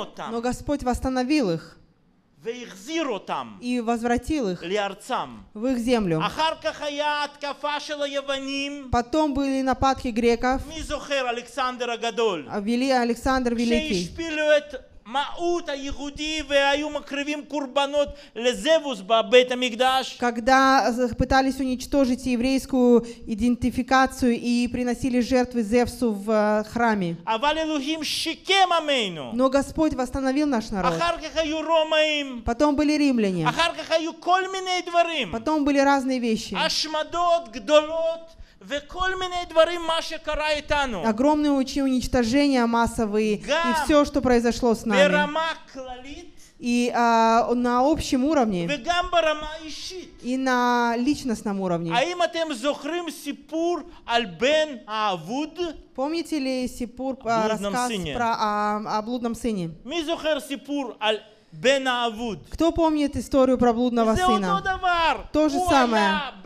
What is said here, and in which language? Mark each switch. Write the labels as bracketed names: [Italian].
[Russian] Но Господь восстановил их. [Hebrew] והחזיר אותם. [Russian] И возвратил их. [Hebrew] לארצם. [Russian] В их землю. [Hebrew] אחר כך היה התקפה של היוונים. [Russian] Потом были нападки греков. [Hebrew] מי זוכר אלכסנדר הגדול. [Russian] אבילי אלכסנדר וליקי. [Hebrew] שהשפילו את מהות היהודי והיו מקריבים קורבנות לזבוס בבית המקדש. [Russian] Когда пытались уничтожить еврейскую идентификацию и приносили жертвы Зевсу в храме. [Hebrew] אבל אלוהים שיקם עמנו. [Russian] Но Господь восстановил наш народ. [Hebrew] אחר כך היו רומאים. [Russian] Потом были римляне. [Hebrew] אחר כך היו כל מיני דברים. [Russian] Потом были разные вещи. [Hebrew] השמדות גדולות. וכל מיני דברים מה שקרה איתנו. [Russian] Огромные уничтожения массовые и всё, что произошло с нами. [Hebrew] ברמה כללית. [Russian] И на общем уровне. [Hebrew] וגם ברמה אישית. [Russian] И на личностном уровне. [Hebrew] האם אתם זוכרים סיפור על בן האבוד? [Russian] Помните ли сипур рассказ про о блудном сыне? [Hebrew] מי זוכר סיפור על בן האבוד? [Russian] Кто помнит историю про блудного сына? То же самое.